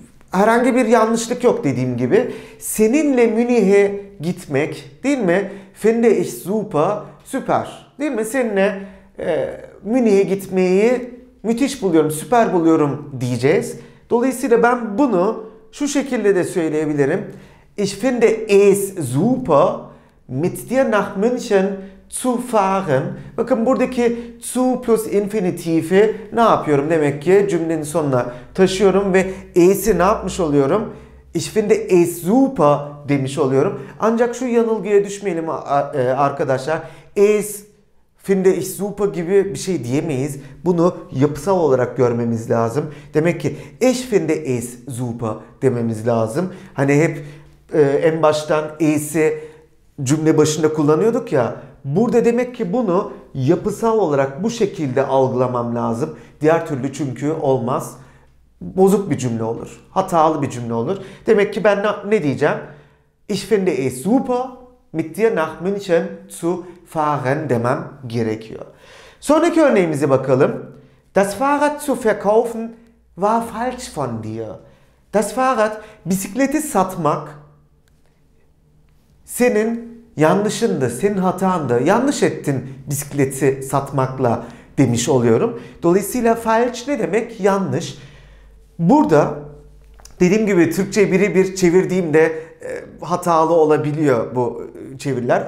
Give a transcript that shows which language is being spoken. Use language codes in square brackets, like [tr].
[tr] Herhangi bir yanlışlık yok dediğim gibi. Seninle Münih'e gitmek değil mi? [de] Finde ich super. [tr] Süper. Değil mi? Seninle Münih'e gitmeyi müthiş buluyorum, süper buluyorum diyeceğiz. Dolayısıyla ben bunu şu şekilde de söyleyebilirim. [de] Ich finde es super mit dir nach München zu fahren. [tr] Bakın buradaki zu plus infinitifi ne yapıyorum? Demek ki cümlenin sonuna taşıyorum ve es'i ne yapmış oluyorum? [de] Ich finde es super [tr] demiş oluyorum. Ancak şu yanılgıya düşmeyelim arkadaşlar. [de] Es, finde ich super [tr] gibi bir şey diyemeyiz. Bunu yapısal olarak görmemiz lazım. Demek ki [de] ich finde es super [tr] dememiz lazım. Hani hep en baştan es'i cümle başında kullanıyorduk ya. Burada demek ki bunu yapısal olarak bu şekilde algılamam lazım. Diğer türlü çünkü olmaz. Bozuk bir cümle olur. Hatalı bir cümle olur. Demek ki ben ne diyeceğim? [de] Ich finde es super mit dir nach München zu fahren [tr] demem gerekiyor. Sonraki örneğimize bakalım. [de] Das Fahrrad zu verkaufen war falsch von dir. [tr] Das Fahrrad, bisikleti satmak senin yanlışındı, senin hatandı. Yanlış ettin bisikleti satmakla demiş oluyorum. Dolayısıyla falsch ne demek? Yanlış. Burada dediğim gibi Türkçe birebir çevirdiğimde hatalı olabiliyor bu çeviriler.